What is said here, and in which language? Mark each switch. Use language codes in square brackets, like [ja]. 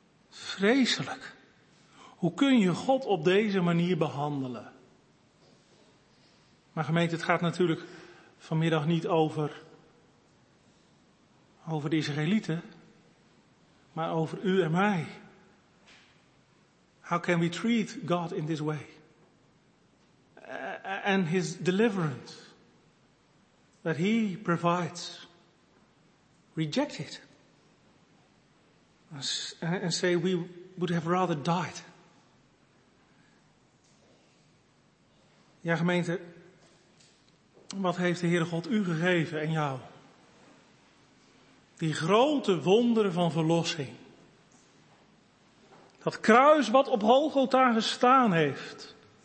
[nl] Vreselijk. Hoe kun je God op deze manier behandelen? Maar gemeente, het gaat natuurlijk vanmiddag niet over de Israëlieten, maar over u en mij. [en] How can we treat God in this way? And his deliverance that he provides. Reject it. And say we would have rather died. [nl] Ja, gemeente, wat heeft de Heere God u gegeven en jou? Die grote wonderen van verlossing. Dat kruis wat op Golgotha gestaan heeft.